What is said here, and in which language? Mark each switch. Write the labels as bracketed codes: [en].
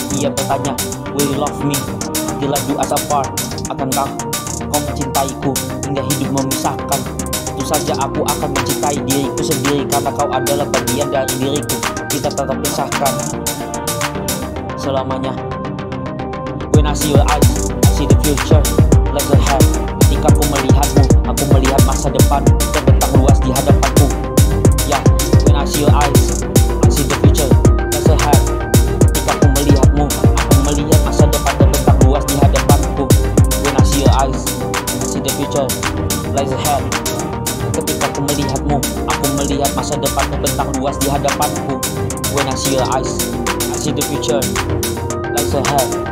[id] Ia bertanya, [en] will you love me till I do us apart? [id] Akankah kau mencintaiku hingga hidup memisahkan? Itu saja, aku akan mencintai diriku sendiri karena kau adalah bagian dari diriku. Kita tetap pisahkan selamanya. [en] When I see your eyes, I see the future. Let's go ahead. [id] Ketika aku melihatmu, aku melihat masa depan terbentang luas di hadapanku. [en] Yeah, when I see your eyes, I see the future. Let's go ahead. [id] Ketika aku melihatmu, aku melihat masa depan terbentang luas di hadapanku. [en] When I see your eyes, I see the future. Let's go ahead. [id] Ketika aku melihatmu, aku melihat masa depan terbentang luas di hadapanku. [en] When I see your eyes, see the future, let's ahead.